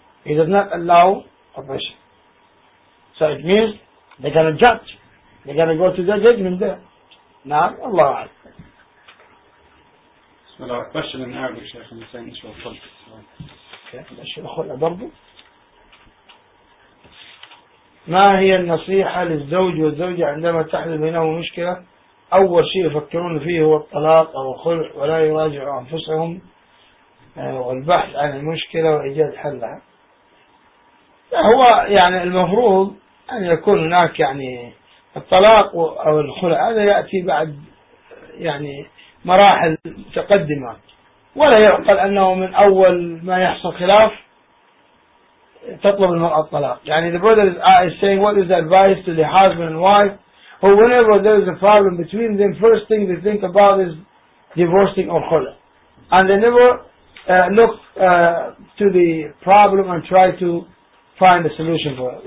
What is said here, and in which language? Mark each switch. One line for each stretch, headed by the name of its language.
English: He does not allow oppression. So it means they're going to judge. They're going to go to their judgment there. Now, Allah. Bismillah. Question in Arabic, Shaykh, I'm saying this real quick. Shaykh, the Shaykh, the Barbu.
Arabic: ما هي النصيحة للزوج والزوجة عندما تحدث بينهم مشكلة؟ أول شيء يفكرون فيه هو الطلاق أو الخلع ولا يراجع أنفسهم والبحث عن المشكلة وإيجاد حلها. هو المفروض أن يكون هناك الطلاق أو الخلع، هذا يأتي بعد مراحل متقدمة، ولا يعقل أنه من أول ما يحصل خلاف تطلب المرأة الطلاق.
English: The brother is saying, what is the advice to the husband and wife who, whenever there is a problem between them, first thing they think about is divorcing or khula, and they never look to the problem and try to find a solution for it.